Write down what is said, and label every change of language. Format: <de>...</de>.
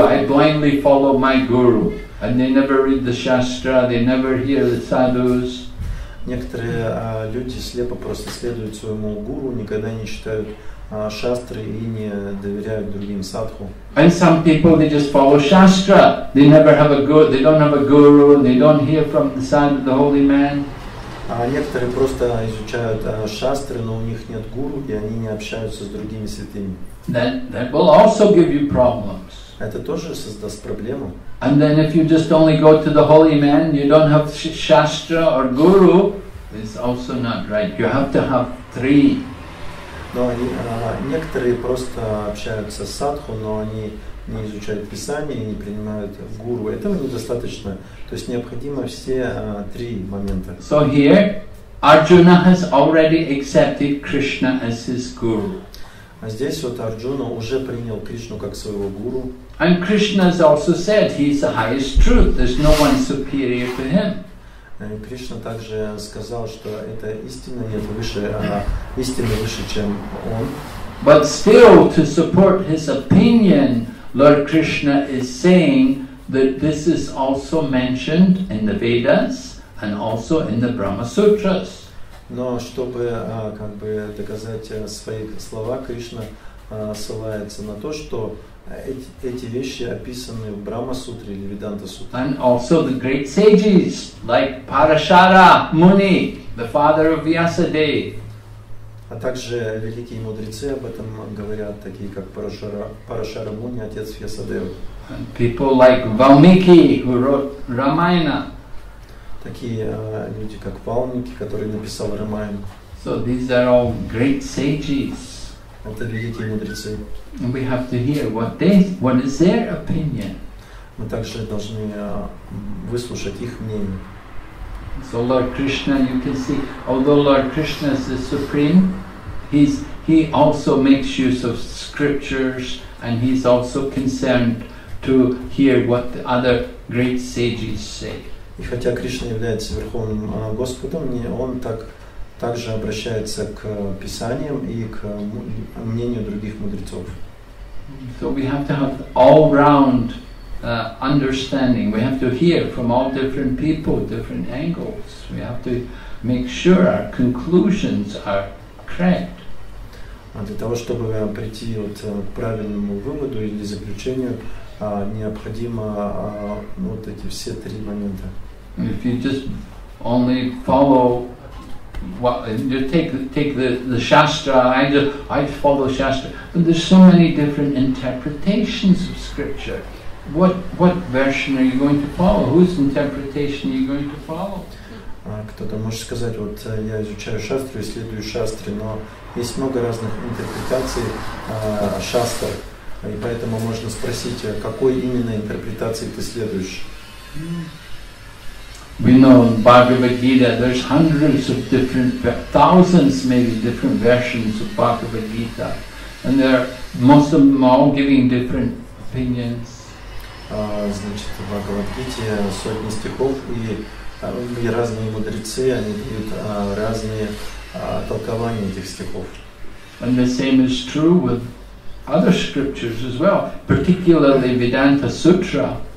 <en>I blindly follow my guru, and they never read the shastra, they never hear the sadhus.</en> <ru>Некоторые люди слепо просто следуют своему гуру, никогда не читают шастры и не доверяют другим садху.</ru> <en>And some people they just follow shastra. They never have a guru. They don't have a guru. They don't hear from the sadhu, the holy man.</en> <ru>А некоторые просто изучают шастры, но у них нет гуру и они не общаются с другими святыми.</ru> <en>That will also give you problems.</en> <ru>Это тоже создаст проблему.</ru> <en>And then if you just only go to the holy man, you don't have shastra or guru, it's also not right. You have to have three.</en> <ru>Но некоторые просто общаются с садху, но они не изучают писание и не принимают гуру. Этого недостаточно. То есть необходимо все три момента.</ru> <en>So here Arjuna has already accepted Krishna as his guru.</en> <ru>А здесь вот Арджуна уже принял Кришну как своего гуру.</ru> <en>And Krishna has also said he is the highest truth. There's no one superior to him.</en> <ru>И Кришна также сказал, что это истина, нет, выше она, истина выше, чем он.</ru> <en>But still, to support his opinion, Lord Krishna is saying that this is also mentioned in the Vedas and also in the Brahma Sutras.</en> <ru>Но чтобы как бы доказать свои слова, Кришна ссылается на то, что эти вещи описаны в Брахма Сутре или Веданта Сутре.</ru> <en>And also the great sages like Parashara Muni, the father of Vyasadeva.</en> <ru>А также великие мудрецы об этом говорят, такие как Парашара Муни, отец Вьясадева.</ru> <en>And people like Valmiki, who wrote Ramayana.</en> <ru>Такие люди, как Валмики, который написал Рамаяну.</ru> <en>So these are all great sages.</en> <ru>Это великие мудрецы.</ru> <en>And we have to hear what is their opinion.</en> <ru>Мы также должны выслушать их мнение.</ru> <en>So Lord Krishna, you can see, although Lord Krishna is the supreme, he also makes use of scriptures, and he's also concerned to hear what the other great sages say.</en> <ru>И хотя Кришна является верховным Господом, он также обращается к писаниям и к мнению других мудрецов.</ru> <en>So we have to have all-round understanding. We have to hear from all different people, different angles. We have to make sure our conclusions are correct.</en> <ru>А для того, чтобы прийти к правильному выводу или заключению, необходимо вот эти все три момента.</ru> <en>If you just only follow what you take the shastra, I follow shastra, but there's so many different interpretations of scripture. What version are you going to follow? Whose interpretation are you going to follow?</en> <ru>Кто-то может сказать, вот я изучаю шастру, исследую шастры, но есть много разных интерпретаций шастр, и поэтому можно спросить, какой именно интерпретации ты следуешь?</ru> <en>We know in Bhagavad Gita there's hundreds of different, thousands maybe different versions of Bhagavad Gita, and they're most of them all giving different opinions.</en> <ru>Значит, в Бхагавад-гите сотни стихов, и разные мудрецы, они дают разные толкования этих стихов.</ru> <en>And the same is true with other scriptures as well, particularly Vedanta Sutra.</en>